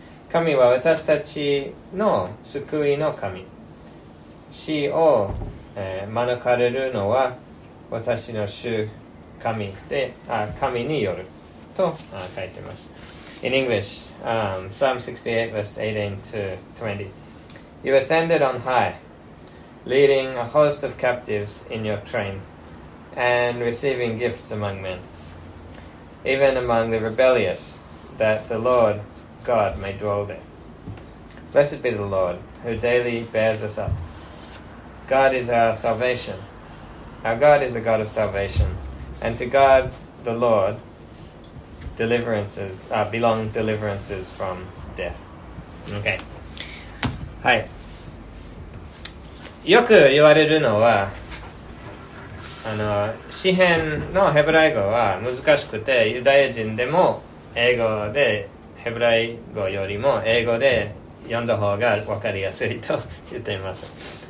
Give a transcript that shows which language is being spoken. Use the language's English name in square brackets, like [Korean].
[Japanese] 神は私たちの救いの神。死を、免れるのは私の主神で、神によると書いてます。 [English] In English, Psalm 68 verse 18 to 20. You ascended on high, leading a host of captives in your train, and receiving gifts among men, even among the rebellious, that the Lord God may dwell there. Blessed be the Lord, who daily bears us up. God is our salvation. Our God is a God of salvation. And to God, the Lord, belong deliverances from death. Okay. はい。 [Japanese] よく言われるのは、詩編のヘブライ語は難しくて、ユダヤ人でも英語で、ヘブライ語よりも英語で読んだ方が分かりやすいと言っています。